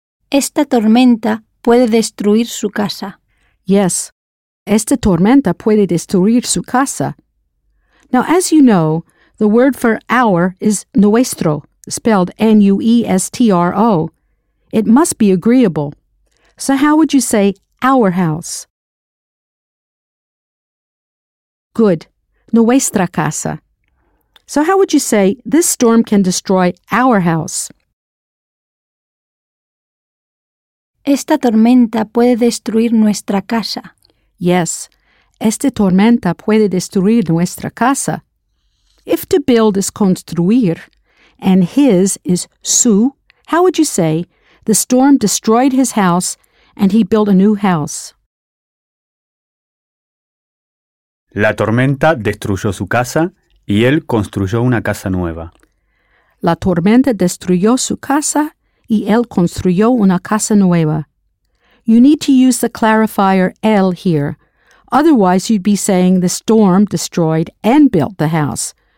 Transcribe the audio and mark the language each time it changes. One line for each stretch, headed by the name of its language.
Spanish: Esta tormenta puede destruir su casa. Yes, esta tormenta puede destruir su casa.
English: Now, as you know, the word for our is nuestro, spelled N-U-E-S-T-R-O. It must be agreeable. So how would you say our house? Good.
Spanish: Nuestra casa.
English: So how would you say this storm can destroy our house?
Spanish: Esta tormenta puede destruir nuestra casa. Yes, esta tormenta puede destruir nuestra casa.
English: If to build is construir, and his is su, how would you say, the storm destroyed his house, and he built a new house?
Spanish: La tormenta destruyó su casa, y él construyó una casa nueva. La tormenta destruyó su casa, y él construyó una casa nueva.
English: You need to use the clarifier él here. Otherwise, you'd be saying the storm destroyed and built the house.